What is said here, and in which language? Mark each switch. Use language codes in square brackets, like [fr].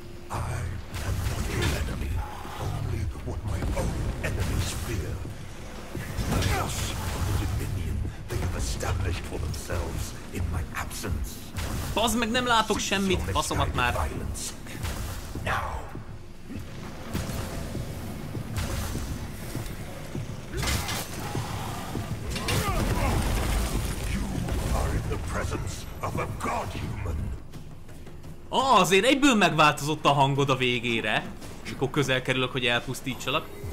[en] I am not your enemy, only what my own enemies fear. The loss of the dominion they have established for themselves in my absence. [hu] Bazd meg, nem látok semmit, baszomat már. [en] Now. You are in the presence of a god human. [hu] Azért egyből megváltozott a hangod a végére, mikor közel kerülök, hogy elpusztítsalak.